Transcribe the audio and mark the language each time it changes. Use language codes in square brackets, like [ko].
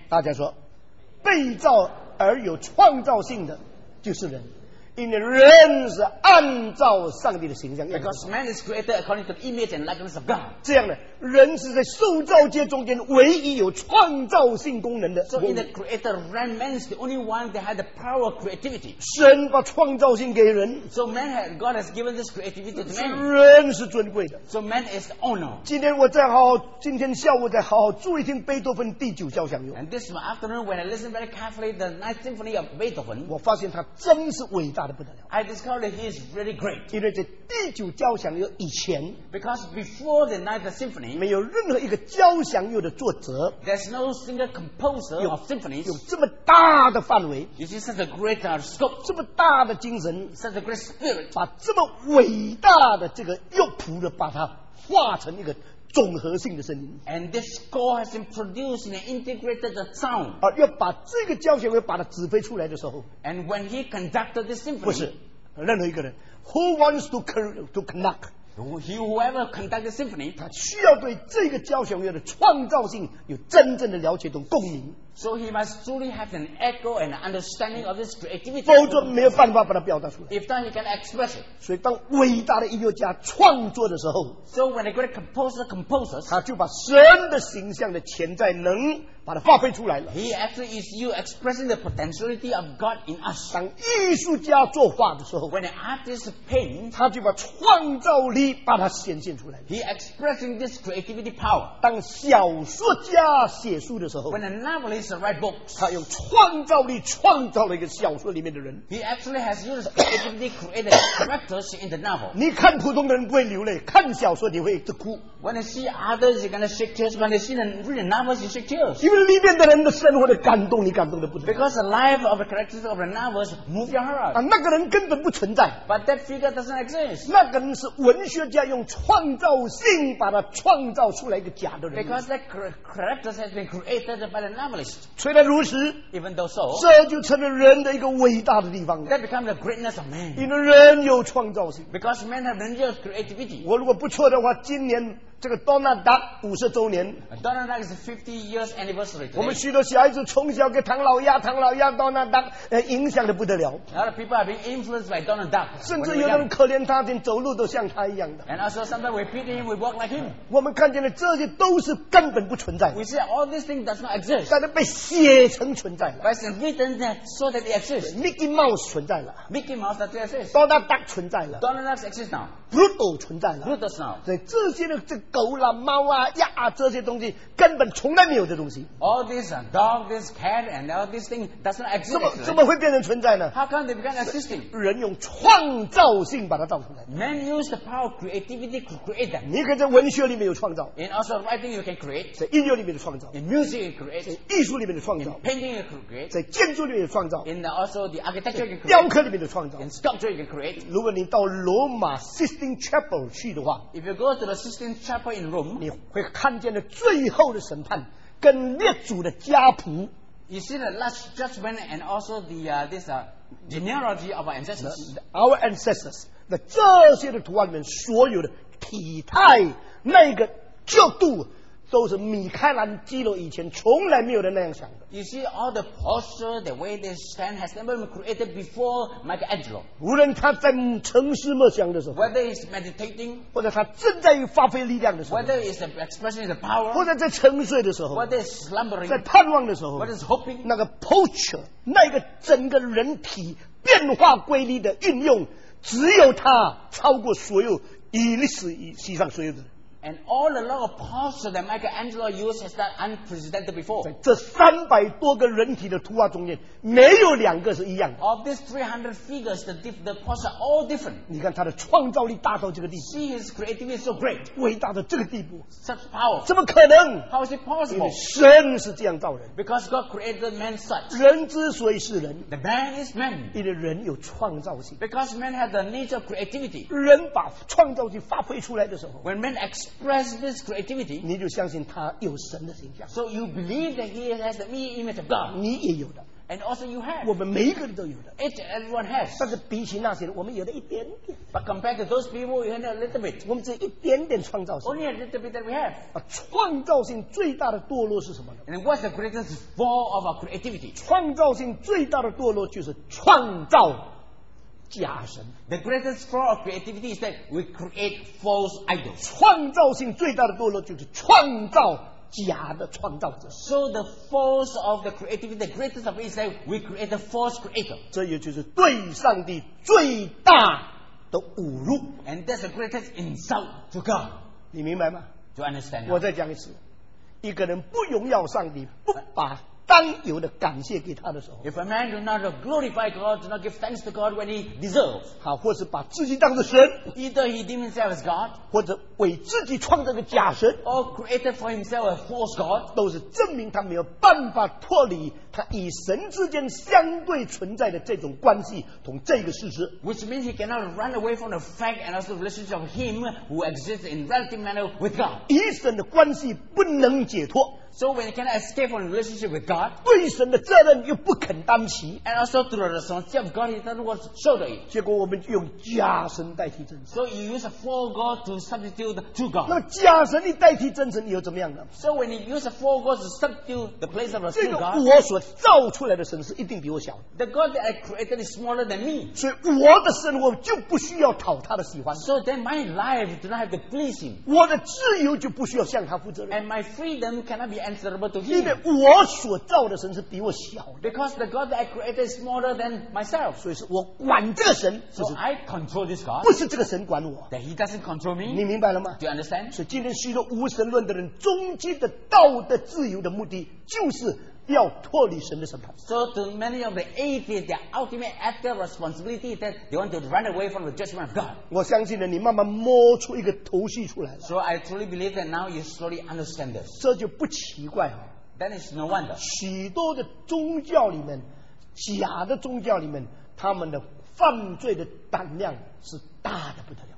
[zh] 大家说被造而有创造性的就是人因为人是按照上帝的形象。 [en] Because man is created according to the image and likeness of God. [zh] 这样的人是在受造界中间唯一有创造性功能的。 [en] So in the creator realm, man is the only one that had the power of creativity. [zh] 神把创造性给人。 [en] So man had, God has given this creativity to man. [zh] 人是尊贵的。 [en] So man is the owner. [zh] 今天我再好好，今天下午再好好注意听贝多芬第九交响乐。 [en] And this afternoon, when I listen very carefully the Ninth Symphony of Beethoven, [zh] 我发现他真是伟大。 [en] I discovered that he is really great. [zh] 因为在第九交响乐以前 [en] ，because before the Ninth Symphony， [zh] 没有任何一个交响乐的作者 [en] ，there's no single composer of symphonies [zh] 有这么大的范围 [en] ，you see such a great scope， [zh] 这么大的精神 [en] ，such a great spirit， [zh] 把这么伟大的这个乐谱的把它化成一个。总合性的声音 [en] and this score has been produced in an integrated sound [zh] 而要把这个交响乐把它指挥出来的时候 [en] and when he conducted this symphony [zh] 不是任何一个人 [en] who wants to conduct whoever conduct the symphony [zh] 他需要对这个交响乐的创造性有真正的了解和共鸣 [en] so he must truly have an echo and understanding of this creativity [zh] 否则没有办法把它表达出来 [en] if not he can express it [zh] 所以当伟大的音乐家创作的时候 [en] so when a great composer composes [zh] 他就把神的形象的潜在能把它发挥出来了 [en] he actually is you expressing the potentiality of God in us [zh] 当艺术家作画的时候 [en] when an artist paints [zh] 他就把创造力把它显现出来了 [en] he expressing this creativity power [zh] 当小说家写书的时候 [en] when a novelist writes books [zh] 他用创造力创造了一个小说里面的人 [en] he actually has used creativity created characters in the novel [zh] 你看普通的人不会流泪看小说你会一直哭 [en] when you see others you're going to shake tears when you see them read the novels you shake tears [zh] 因为里面的人的生活的感动，你感动的不得了。 [en] Because the life of the characters of the novels move your heart. [zh] 啊，那个人根本不存在。 [en] But that figure doesn't exist. [zh] 那个人是文学家用创造性把它创造出来一个假的人。 [en] Because that character has been created by the novelist. [zh] 虽然如此 [en] ，even though so， [zh] 这就成了人的一个伟大的地方了。 [en] That becomes the greatness of man. [zh] 因为人有创造性。 [en] Because man has real creativity. [zh] 我如果不错的话，今年。这个 Donald Duck 五十周年 [en] Donald Duck is 50 years anniversary、today. [zh] 我们许多小孩子从小给唐老鸭唐老鸭 Donald Duck、影响得不得了 [en] A lot of people have been influenced by Donald Duck [zh] 甚至有人可怜他连走路都像他一样的 [en] And also sometimes we pity him we walk like him [zh] 我们看见了这些都是根本不存在 [en] We see all these things does not exist [zh] 但是被写成存在了 [en] But it's written that so that it exists [zh] Mickey Mouse 存在了 [en] Mickey Mouse does exist [zh] Donald Duck 存在了 [en] Donald Duck exists now [zh] Brutal 存在了 [en] Brutal now [zh] 对这些呢这狗啦猫啊鸭啊这些东西根本从来没有这东西 [en] all this dog this cat and all this thing does not exist [zh] 怎么会变成存在呢 [en] how come they become existing [zh] 人用创造性把它造出来 [en] man use the power of creativity to create them [zh] 你可以在文学里面有创造 [en] in also writing you can create [zh] 在音乐里面的创造 [en] in music you create [zh] 在艺术里面的创造 [en] in painting you create [zh] 在建筑里面的创造 [en] in also the architecture you can create [zh] 雕刻里面的创造 [en] in sculpture you can create [zh] 如果你到罗马 Sistine Chapel 去的话 [en] if you go to the Sistine Chapel In Rome, [zh] 你会看见了最后的审判跟列祖的家谱 [en] You see the last judgment and also the genealogy of our ancestors Our ancestors [zh] 那这些的图案里面所有的体态那个角度都是米开朗基罗以前从来没有的那样想的 [en] You see all the posture the way they stand has never been created before Michelangelo [zh] 无论他在沉思默想的时候 [en] Whether he's meditating [zh] 或者他正在发挥力量的时候 [en] Whether he's expressing the power [zh] 或者在沉睡的时候 [en] Whether he's slumbering [zh] 在盼望的时候 [en] Whether he's hoping [zh] 那个 posture 那个整个人体变化规律的运用只有他超过所有以历史以西上所有的 [en] And all the law of posture that Michelangelo used has been unprecedented before. [zh] 在这三百多个人体的图画中间，没有两个是一样的。 [en] Of these 300 figures, the posture are all different. [zh] 你看他的创造力大到这个地步。 [en] See his creativity is so great. [zh] 伟大到这个地步。 [en] Such power. [zh] 怎么可能 [en] ？How is it possible? [zh] 因为神是这样造人。 [en] Because God created man such. [zh] 人之所以是人 [en] ，The man is man. [zh] 因为人有创造性。 [en] Because man has the need of creativity. [zh] 人把创造性发挥出来的时候 [en] ，When man ex express this creativity [zh] 你就相信他有神的形象 [en] so you believe that he has the image of God [zh] 你也有的 [en] and also you have [zh] 我们每一个人都有的 [en] it everyone has [zh] 但是比起那些人我们有的一点点 [en] but compared to those people you have a little bit [zh] 我们只有一点点创造性 [en] only a little bit that we have [zh] 啊，创造性最大的堕落是什么呢 [en] and what's the greatest fall of our creativity [zh] 创造性最大的堕落就是创造假神。 [en] The greatest flaw of creativity is that we create false idols. [zh] 创造性最大的堕落就是创造假的创造者。 [en] So the fault of the creativity, the greatest of it is that we create a false creator. [zh] 这也就是对上帝最大的侮辱。 [en] And that's the greatest insult to God. [zh] 你明白吗？ [en] Do you understand? [zh] 我再讲一次，一个人不荣耀上帝，不把当有的感谢给他的时候， [en] If a man do not glorify God, do not give thanks to God when he deserves, [zh] 好，或是把自己当作神， [en] Either he deems himself as God, [zh] 或者为自己创造个假神， [en] Or created for himself a false God, [zh] 都是证明他没有办法脱离他与神之间相对存在的这种关系同这个事实。 [en] Which means he cannot run away from the fact and also the relationship of him who exists in relative manner with God. [zh] 与神的关系不能解脱。 [en] So when you cannot escape from the relationship with God, [zh] 对神的责任又不肯担起， [en] and also through the responsibility of God, he doesn't want to shoulder it. [zh] 结果我们用假神代替真神。 [en] So you use a false God to substitute the true God. [zh] 那么假神你代替真神又怎么样呢？ [en] So when you use a false God to substitute the place of the true God, [zh] 这个我所造出来的神是一定比我小的。 [en] The God that I created is smaller than me. [zh] 所以我的生活就不需要讨他的喜欢。 [en] So then my life do not have to please him. [zh] 我的自由就不需要向他负责任。 [en] And my freedom cannot be answerable to him. [zh] 因为我所造的神是比我小的。 [en] Because the God that I created is smaller than myself. [zh] 所以是我管这个神。 [en] So I control this God. [zh] 不是这个神管我。 [en] That he doesn't control me. [zh] 你明白了吗？ [en] Do you understand? [zh] 所以今天许多无神论的人终极的道德自由的目的就是要脱离神的审判。 [en] So to many of the atheists, their ultimate ethical responsibility is that they want to run away from the judgment of God. [zh] 我相信了，你慢慢摸出一个头绪出来了。 [en] So I truly believe that now you slowly understand this. [zh] 这就不奇怪哦。 [en] Then it's no wonder. [zh] 许多的宗教里面，假的宗教里面，他们的犯罪的胆量是大的不得了。